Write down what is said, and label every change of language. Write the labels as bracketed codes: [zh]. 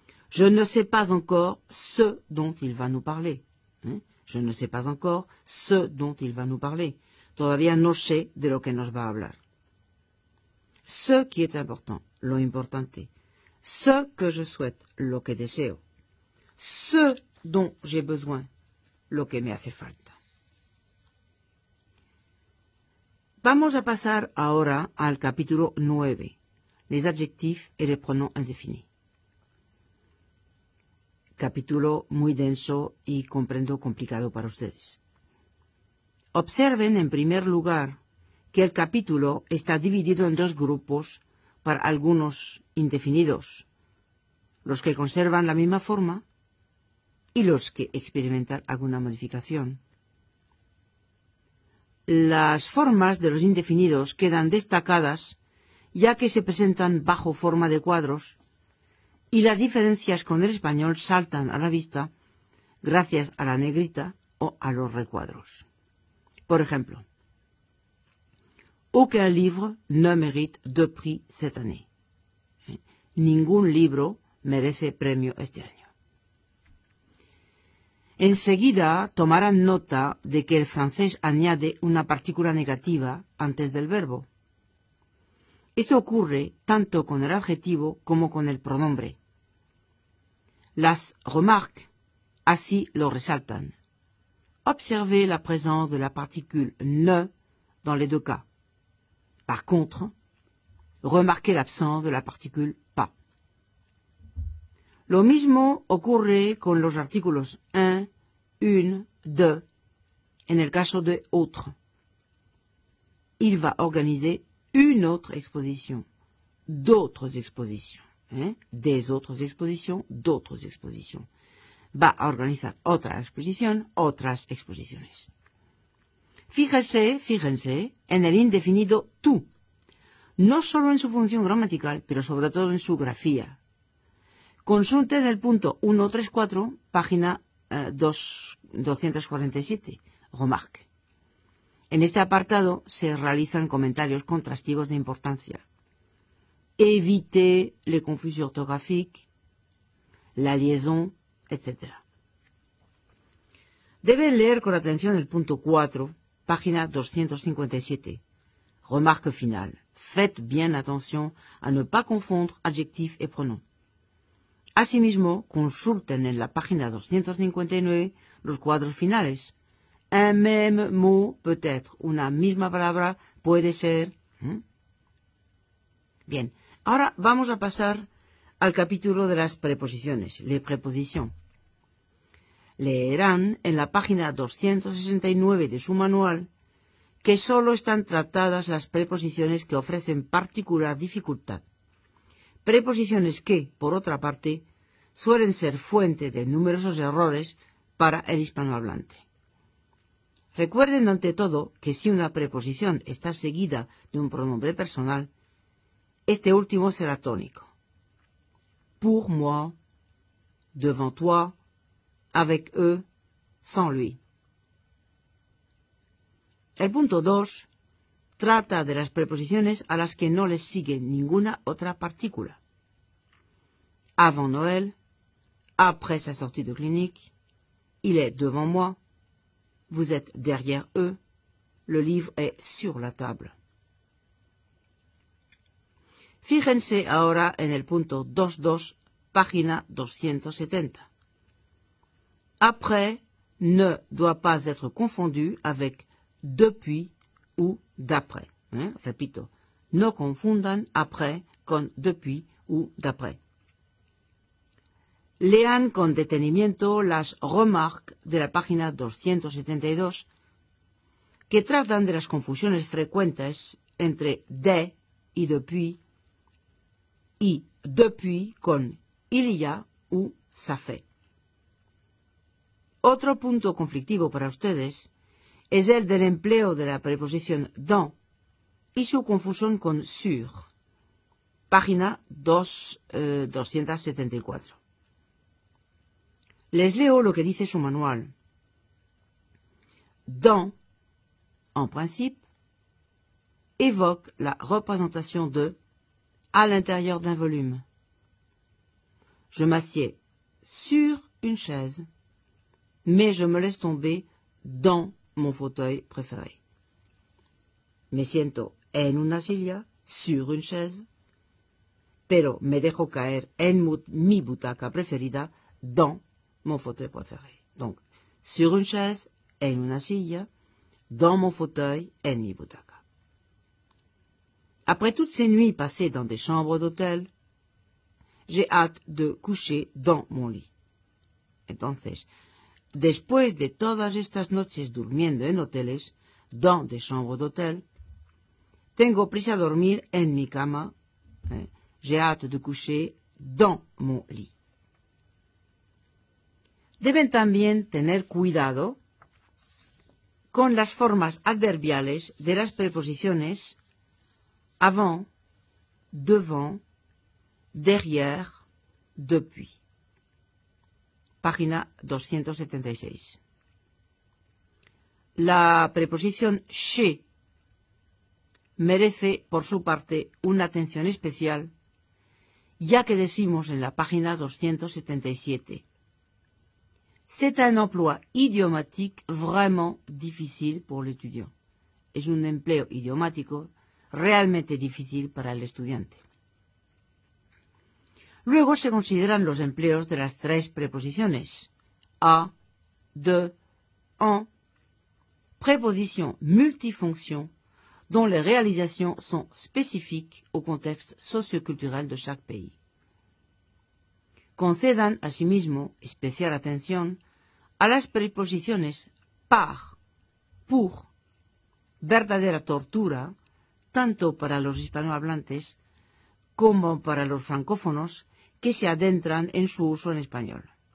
[fr] Je ne sais pas encore ce dont il va nous parler. Je ne sais pas encore ce dont il va nous parler. [es] Todavía no sé de lo que nos va a hablar. [fr] Ce qui est important, [es] lo importante. [fr] Ce que je souhaite, [es] lo que deseo. [fr] Ce dont j'ai besoin, [es] lo que me hace falta. Vamos a pasar ahora al capítulo 9, [fr] les adjectifs et les pronoms indéfinis. [es] Capítulo muy denso y comprendo complicado para ustedes. Observen, en primer lugar, que el capítulo está dividido en dos grupos para algunos indefinidos, los que conservan la misma forma y los que experimentan alguna modificación. Las formas de los indefinidos quedan destacadas ya que se presentan bajo forma de cuadros y las diferencias con el español saltan a la vista gracias a la negrita o a los recuadros. Por ejemplo, [fr] aucun livre ne mérite de prix cette année. [es] Ningún libro merece premio este año. Enseguida tomarán nota de que el francés añade una partícula negativa antes del verbo. Esto ocurre tanto con el adjetivo como con el pronombre. Las remarques así lo resaltan. [fr] Observez la présence de la particule ne dans les deux cas. Par contre, remarquez l'absence de la particule pas. [es] Lo mismo ocurre con los artículos un, une, de, en el caso de autre. [fr] Il va organiser une autre exposition, d'autres expositions. Des autres expositions, d'autres expositions. [es] Va a organizar otra exposición, otras exposiciones. Fíjense, en el indefinido tú. No solo en su función gramatical, pero sobre todo en su grafía. Consulte en el punto 134, página 247, remarque. En este apartado se realizan comentarios contrastivos de importancia. [fr] Évite les confusions orthographiques, la liaison, etc. [es] Debe leer con atención el punto 4, página 257, remarque final. [fr] Faites bien attention à ne pas confondre adjectif et pronom. [es] Asimismo, consulten en la página 259 los cuadros finales. [fr] Un même mot peut être, [es] una misma palabra puede ser. Bien, ahora vamos a pasar al capítulo de las preposiciones, [fr] les prépositions. [es] Leerán en la página 269 de su manual que solo están tratadas las preposiciones que ofrecen particular dificultad. Preposiciones que, por otra parte, suelen ser fuente de numerosos errores para el hispanohablante. Recuerden ante todo que si una preposición está seguida de un pronombre personal, este último será tónico. [fr] Pour moi, devant toi, avec eux, sans lui. [es] El punto 2 trata de las preposiciones a las que no les sigue ninguna otra partícula. [fr] Avant Noël, après sa sortie de clinique, il est devant moi, vous êtes derrière eux, le livre est sur la table. [es] Fíjense ahora en el punto 2.2, página 270. [fr] Après ne doit pas être confondu avec depuis ou d'après. [es] Repito, no confundan après con depuis ou d'après. Lean con detenimiento las remarques de la página 272 que tratan de las confusiones frecuentes entre de y depuis y depuis con il y a ou ça fait. Otro punto conflictivo para ustedes es el del empleo de la preposición dans y su confusión con sur, página 274. Les leo lo que dice su manual. [fr] Dans, en principe, évoque la représentation de à l'intérieur d'un volume. Je m'assieds sur une chaise, mais je me laisse tomber dans mon fauteuil préféré. [es] Me siento en una silla, [fr] sur une chaise, [es] pero me dejo caer en mi butaca preferida, [fr] dans mon fauteuil préféré. Donc, sur une chaise, [es] en una silla, [fr] dans mon fauteuil, [es] en mi butaca. [fr] Après toutes ces nuits passées dans des chambres d'hôtel, j'ai hâte de coucher dans mon lit. [es] Entonces, después de todas estas noches durmiendo en hoteles, [fr] dans des chambres d'hôtel. [es] Tengo prisa a dormir en mi cama. [fr] J'ai hâte de coucher dans mon lit. [es] Deben también tener cuidado con las formas adverbiales de las preposiciones avant, devant, derrière, depuis. Página 276. La preposición chez merece, por su parte, una atención especial, ya que decimos en la página 277. [fr] C'est un emploi idiomatique vraiment difficile pour l'étudiant. [es] Es un empleo idiomático realmente difícil para el estudiante. Luego se consideran los empleos de las tres preposiciones. [fr] A, de, en, preposición multifonction, dont les réalisations sont spécifiques au contexte socioculturel de chaque pays. [es] Concedan asimismo especial atención a las preposiciones par, pour, verdadera tortura, tanto para los hispanohablantes como para los francófonos que se adentran en su uso en español.